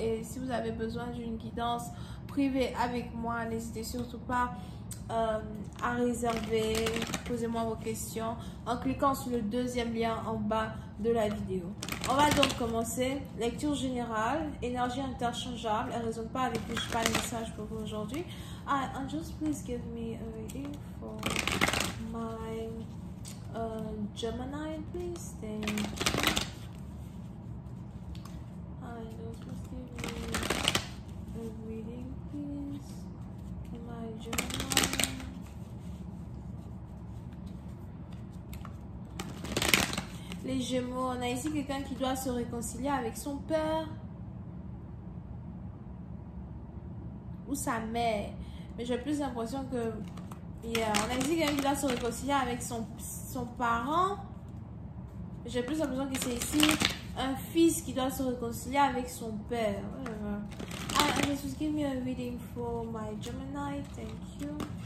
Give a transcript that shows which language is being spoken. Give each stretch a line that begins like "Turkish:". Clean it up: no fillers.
French: Et si vous avez besoin d'une guidance privée avec moi, n'hésitez surtout pas à réserver, posez-moi vos questions en cliquant sur le deuxième lien en bas de la vidéo. On va donc commencer. Lecture générale, énergie interchangeable. Elle ne résonne pas avec vous, je n'ai pas de message pour vous aujourd'hui.
English: Ah, and just please give me a reading for my Gemini, please. Thank you. And just please give me a reading, please. My Gemini.
French: Les Gémeaux, on a ici quelqu'un qui doit se réconcilier avec son père ou sa mère, mais j'ai plus l'impression que on a ici quelqu'un qui doit se réconcilier avec son parent. J'ai plus l'impression que c'est ici un fils qui doit se réconcilier avec son père.
English: Just give me a reading for my Gemini, thank you.